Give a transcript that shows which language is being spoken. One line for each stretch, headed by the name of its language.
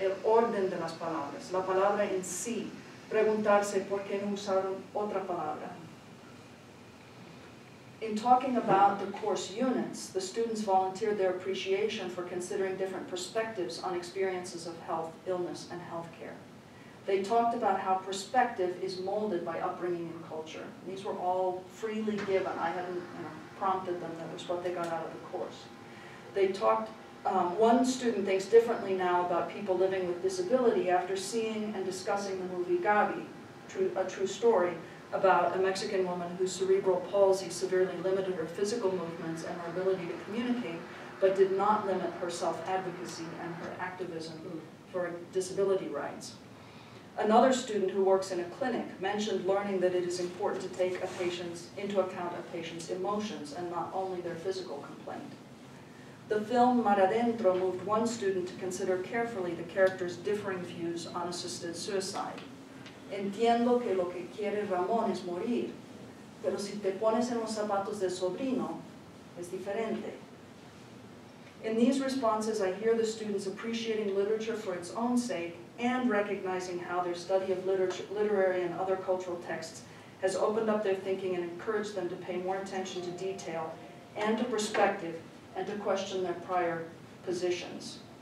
Spanish: El orden de las palabras, la palabra en sí. Preguntarse por qué no usaron otra palabra.
English: In talking about the course units, the students volunteered their appreciation for considering different perspectives on experiences of health, illness, and healthcare. They talked about how perspective is molded by upbringing and culture. These were all freely given. I hadn't prompted them. That was what they got out of the course. They talked, one student thinks differently now about people living with disability after seeing and discussing the movie Gabi, a true story about a Mexican woman whose cerebral palsy severely limited her physical movements and her ability to communicate, but did not limit her self-advocacy and her activism for disability rights. Another student who works in a clinic mentioned learning that it is important to take into account a patient's emotions and not only their physical complaint. The film Mar Adentro moved one student to consider carefully the character's differing views on assisted suicide.
Spanish: Entiendo que lo que quiere Ramón es morir, pero si te pones en los zapatos del sobrino, es diferente.
English: In these responses, I hear the students appreciating literature for its own sake and recognizing how their study of literary and other cultural texts has opened up their thinking and encouraged them to pay more attention to detail and to perspective and to question their prior positions.